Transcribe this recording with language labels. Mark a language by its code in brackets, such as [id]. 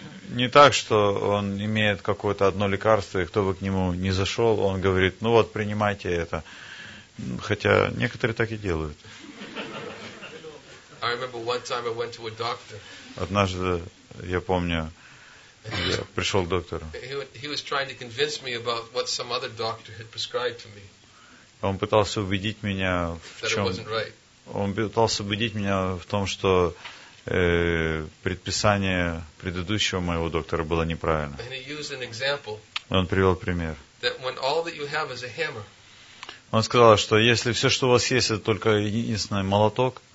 [ru] Не так, что он имеет какое-то одно лекарство, и кто бы к нему не зашел, он говорит, ну вот, принимайте это. Хотя некоторые так и делают. [en] I remember one time I went to a doctor. [ru] Однажды, я помню, я пришел к доктору. [en] He was trying to convince me about what some other doctor had prescribed to me. [ru] Он пытался убедить меня в чем... [en] That it wasn't right. [ru] Он пытался убедить меня в том, что предписание предыдущего моего доктора было неправильно. [en] And he used an example. [ru] Он привел пример. [en] That when all that you have is a hammer. [ru] Он сказал, что если все, что у вас есть, это только единственный молоток,